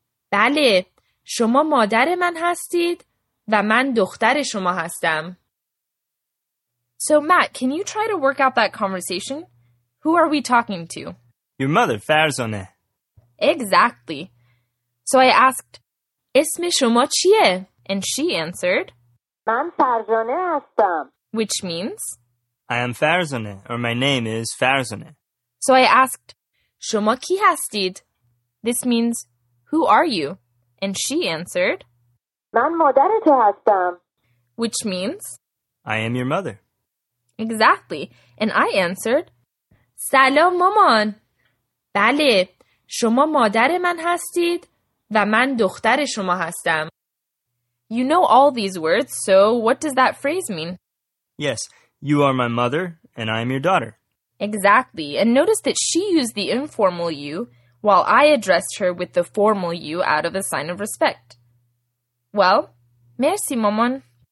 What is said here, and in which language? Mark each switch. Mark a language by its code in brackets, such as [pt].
[fa] بله، شما مادر من هستید و من دختر شما هستم. [en] So Matt, can you try to work out that conversation? Who are we talking to? Your mother, Farzaneh. Exactly. So I asked, [fa] اسم شما چیه؟ [en] And she answered, [fa] من فرزانه هستم. [en] Which means? I am Farzaneh, or my name is Farzaneh. So I asked, [fa] شما کی هستید? [en] This means, who are you? And she answered, [fa] من مادر تو هستم. [en] Which means? I am your mother. Exactly. And I answered, [fa] سلام مامان. بله, شما مادر من هستید و من دختر شما هستم. [en] You know all these words, so what does that phrase mean? Yes, you are my mother, and I am your daughter. Exactly, and notice that she used the informal you, while I addressed her with the formal you out of a sign of respect. Well, merci, maman.